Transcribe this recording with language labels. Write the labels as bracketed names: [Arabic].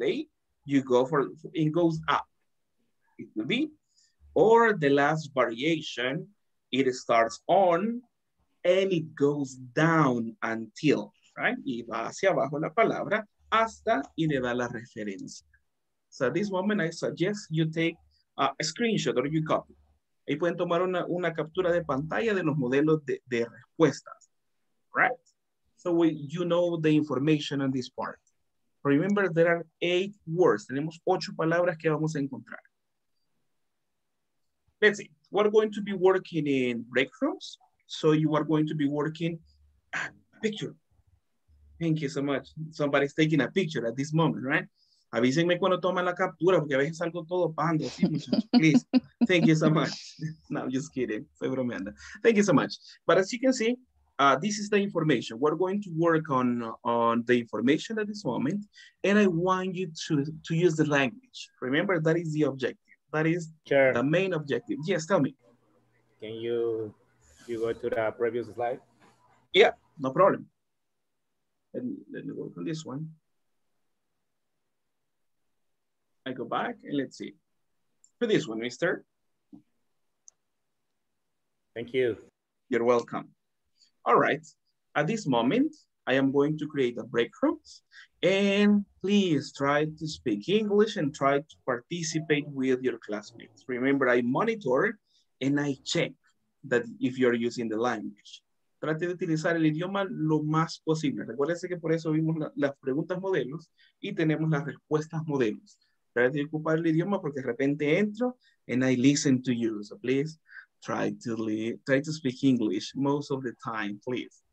[Spanish] Y de ahí, [English] you go for, it goes up. It will be. Or the last variation, it starts on. And it goes down until, right? [Spanish] Y va hacia abajo la palabra hasta y le da la referencia. [English] So at this moment, I suggest you take a screenshot or you copy. [Spanish] Ahí pueden tomar una captura de pantalla de los modelos de respuestas, right? [English] So we, you know the information on this part. Remember, there are 8 words. [Spanish] Tenemos 8 palabras que vamos a encontrar. [English] Let's see. We're going to be working in break rooms. So you are going to be working a picture. Thank you so much. Somebody's taking a picture at this moment, right? [Spanish] Avísenme cuando toman la captura, porque a veces salgo todo pando. Sí, muchachos, [English] please. Thank you so much. No, I'm just kidding. [Spanish] Estoy bromeando. [English] Thank you so much. But as you can see, this is the information. We're going to work on the information at this moment. And I want you to use the language. Remember, that is the objective. That is sure. The main objective. Yes, tell me. Can you... You go to the previous slide? Yeah, no problem. Let me work on this one. I go back and let's see. For this one, mister. Thank you. You're welcome. All right. At this moment, I am going to create a break room. And please try to speak English and try to participate with your classmates. Remember, I monitor and I check that if you're using the language. [Spanish] Trate de utilizar el idioma lo más posible. Recuérdense que por eso vimos las preguntas modelos y tenemos las respuestas modelos. Trate de ocupar el idioma porque de repente entro [English] and I listen to you. So please try to speak English most of the time, please.